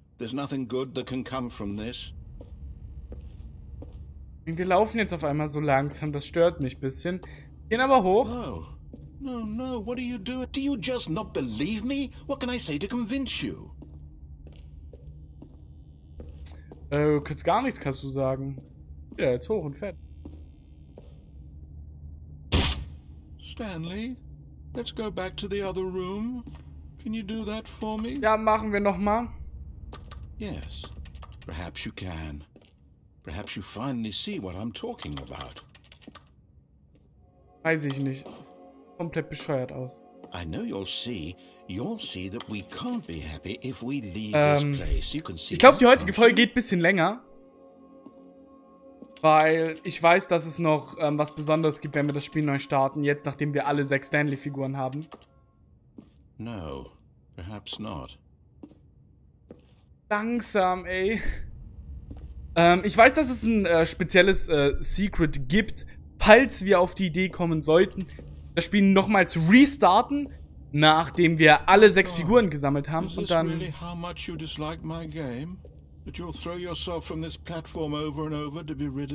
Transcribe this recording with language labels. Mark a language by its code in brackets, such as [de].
[en] There's nothing good that can come from this. [de] Wir laufen jetzt auf einmal so langsam, das stört mich ein bisschen. Gehen aber hoch. [en] No, no, no, what are you doing? Do you just not believe me? What can I say to convince you? [de] Du kannst gar nichts, kannst du sagen. Ja, jetzt hoch und fett. [en] Stanley, let's go back to the other room. Can you do that for me? [de] Ja, machen wir nochmal. [en] Yes, perhaps you can. Perhaps you finally see what I'm talking about. [de] Weiß ich nicht. Das sieht komplett bescheuert aus. [en] I know you'll see that we can't be happy if we leave this place. You can see. [de] Ich glaube, die heutige Folge geht ein bisschen länger. Weil ich weiß, dass es noch was Besonderes gibt, wenn wir das Spiel neu starten, jetzt nachdem wir alle 6 Stanley-Figuren haben. [en] No, perhaps not. [de] Langsam, ey. Ich weiß, dass es ein spezielles Secret gibt, falls wir auf die Idee kommen sollten, das Spiel nochmal zu restarten, nachdem wir alle 6 Figuren gesammelt haben. Und dann. [en] Is this really how much you dislike my game? That you'll throw yourself from this platform over and over to be rid of it?